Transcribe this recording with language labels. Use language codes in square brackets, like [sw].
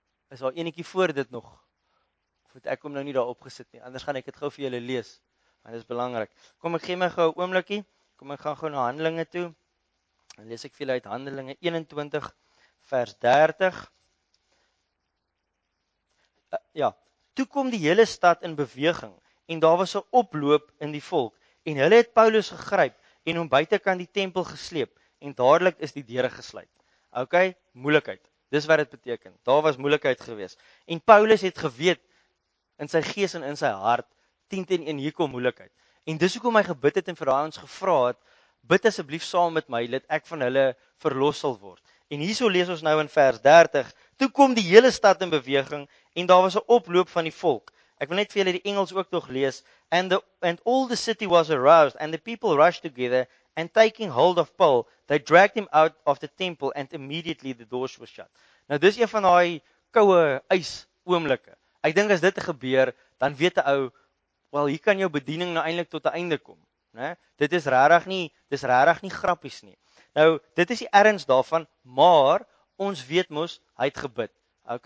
[af] Is daar enetjie voor dit nog? Of het ek hom nou nie daar opgesit nie? Anders gaan ek dit gou vir julle lees. Want dit is belangrik. Kom ek gee my gou 'n oomblikkie. Kom ek gaan gou na Handelinge toe. Dan lees ek vir julle uit Handelinge 21 vers 30. Ja, toe kom die hele stad in beweging en daar was 'n oploop in die volk en hulle het Paulus gegryp en hom buitekant die tempel gesleep en dadelik is die deure gesluit. OK, moeilikheid. Dis wat dit beteken. Daar was moeilikheid gewees. En Paulus het geweet in sy gees en in sy hart 10-1 hier kom moeilikheid. En dis hoekom hy gebid het en vir daai ons gevra het, bid asseblief saam met my dat ek van hulle verlos sal word. En hierso lees ons nou in vers 30, toe kom die hele stad in beweging en daar was 'n oploop van die volk. Ek wil net vir julle die Engels ook nog lees. [en] And all the city was aroused and the people rushed together and taking hold of Paul, they dragged him out of the temple and immediately the doors were shut. [af] Nou dis een van daai koue ys oomblikke. Ek dink as dit gebeur, dan weet 'n ou, wel hier kan jou bediening nou eintlik tot 'n einde kom, né? Dis regtig nie grappies nie. Nou, dit is die erns daarvan, maar ons weet mos hy het gebid. OK?